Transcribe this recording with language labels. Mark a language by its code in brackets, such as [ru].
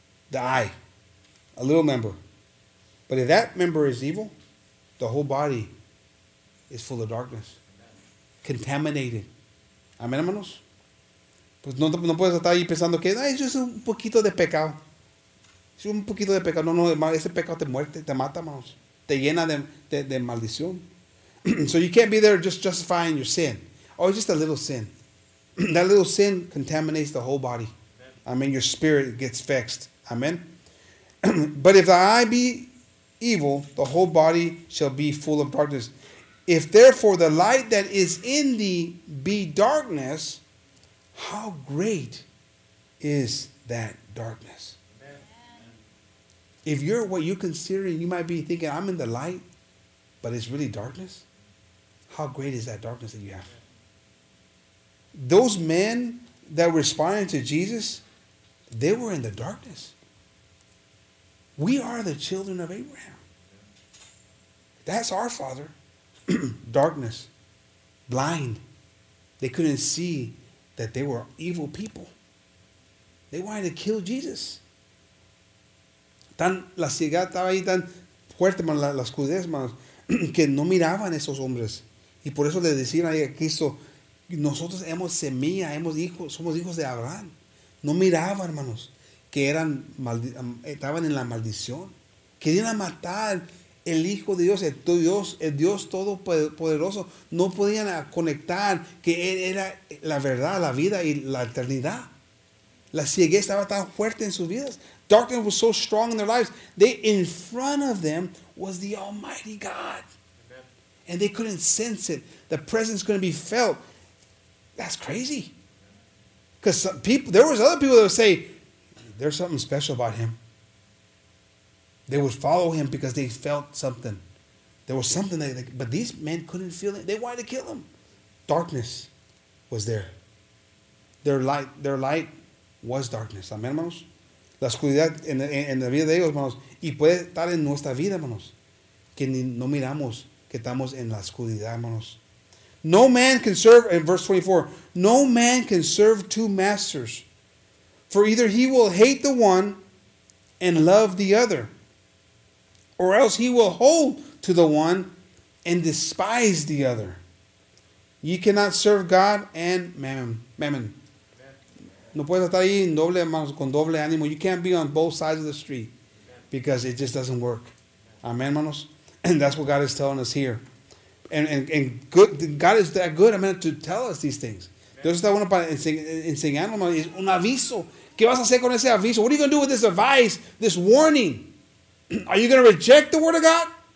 [en] The eye, a little member. But if that member is evil, the whole body is full of darkness. Amen. Contaminated. Amen, hermanos. [es] Pues no puedes estar ahí pensando que ay, eso es un poquito de pecado. Es un poquito de pecado. No, ese pecado te muerte, te mata, hermanos. Te llena de maldición. [en] So you can't be there just justifying your sin. Oh, it's just a little sin. That little sin contaminates the whole body. Amen. I mean, your spirit gets fixed. Amen. But if the eye be evil, the whole body shall be full of darkness. If therefore the light that is in thee be darkness, how great is that darkness? Amen. If you're what you consider, you might be thinking, I'm in the light, but it's really darkness. How great is that darkness that you have? Those men that were responding to Jesus, they were in the darkness. We are the children of Abraham. That's our father. Darkness. Blind. They couldn't see that they were evil people. They wanted to kill Jesus. [es] Tan la ciega estaba ahí tan fuerte, la escudez, que no miraban esos hombres. Y por eso le decían a Cristo, nosotros hemos semilla, hemos hijos, somos hijos de Abraham. No miraban, hermanos, que eran estaban en la maldición. Querían matar el Hijo de Dios, el Dios Todopoderoso. No podían conectar que Él era la verdad, la vida y la eternidad. La ceguera estaba tan fuerte en sus vidas. [en] Darkness was so strong in their lives. They, in front of them was the Almighty God. And they couldn't sense it. The presence couldn't be felt. That's crazy. Because people, there was other people that would say, there's something special about him. They would follow him because they felt something. There was something that, but these men couldn't feel it. They wanted to kill him. Darkness was there. Their light was darkness. Amen, hermanos. [es] La oscuridad en la vida de ellos, hermanos. Y puede estar en nuestra vida, hermanos. Que ni, no miramos. Que estamos en la oscuridad, hermanos. [en] No man can serve, in verse 24, no man can serve two masters. For either he will hate the one and love the other, or else he will hold to the one and despise the other. Ye cannot serve God and mammon. [es] No puedes estar ahí en doble, hermanos, con doble ánimo. [en] You can't be on both sides of the street because it just doesn't work. Amen, hermanos. And that's what God is telling us here. And good, God is that good, amen, to tell us these things. [es] Dios está bueno para enseñarnos. Es un aviso. ¿Qué vas a hacer con ese aviso? [en] What are you going to do with this advice, this warning? Are you going to reject the Word of God?